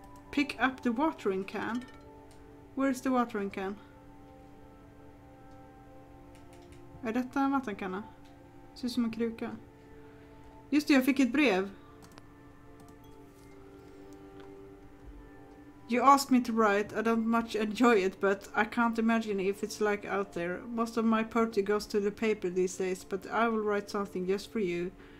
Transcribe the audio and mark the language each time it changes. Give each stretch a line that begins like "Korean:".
English: Pick up the watering can. Where is the watering can?
Swedish: Är detta en vattenkanna? Ser ut som en kruka. Just det, jag fick ett brev.
English: You asked me to write. I don't much enjoy it, but I can't imagine if it's like out there. Most of my poetry goes to the paper these days, but I will write something just for you.